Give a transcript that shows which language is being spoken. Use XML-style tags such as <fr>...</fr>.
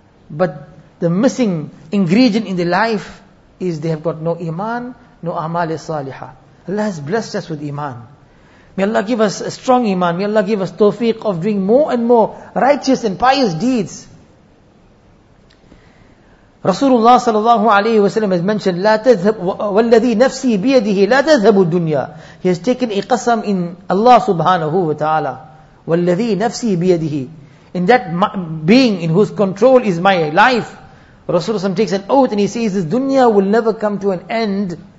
<en>But the missing ingredient in their life is they have got no iman, no amal salihah. Allah has blessed us with iman. May Allah give us a strong iman. May Allah give us tawfiq of doing more and more righteous and pious deeds. Rasulullah sallallahu alayhi wa sallam has mentioned,</en> <ar>لَا تَذْهَبْ وَالَّذِي نَفْسِي بِيَدِهِ لَا تَذْهَبُ الدُّنْيَا.</ar> <en>He has taken a qasam in Allah subhanahu wa ta'ala.</en> <ar>وَالَّذِي نَفْسِي بِيَدِهِ.</ar> <en>In that being in whose control is my life, Rasulullah sallam takes an oath and he says, this dunya will never come to an end.</en>